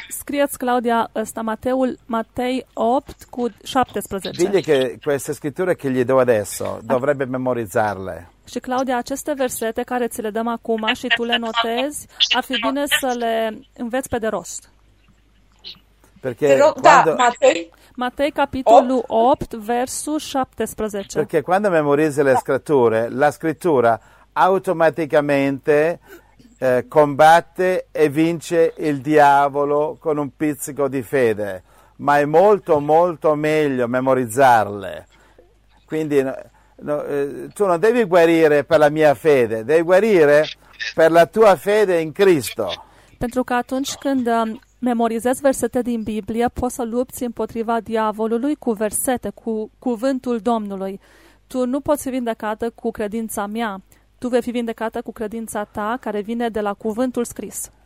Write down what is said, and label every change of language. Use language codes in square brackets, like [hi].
[ro] Scrieți, Claudia, sta Matei 8 cu 17. [it] Dile che queste scritture che gli do adesso, dovrebbe memorizzarle. [ro] Și Claudia, aceste versete care ți le dăm acum și tu le notezi, ar fi bine să le înveți pe de rost. [it] Perché [ro] quando... da, Matei capitolul 8 versul 17. [it] Perché quando memorizzi le scritture, la scrittura automaticamente combatte e vince il diavolo con un pizzico di fede, ma è molto molto meglio memorizzarle. Quindi tu non devi guarire per la mia fede, devi guarire per la tua fede in Cristo. [ro] Pentru că atunci când memorizezi versete din Biblie, poți să lupți împotriva diavolului cu versete, cu cuvântul Domnului. Tu nu poți fi vindecată cu credința mea. Tu vei fi vindecată cu credința ta care vine de la cuvântul scris.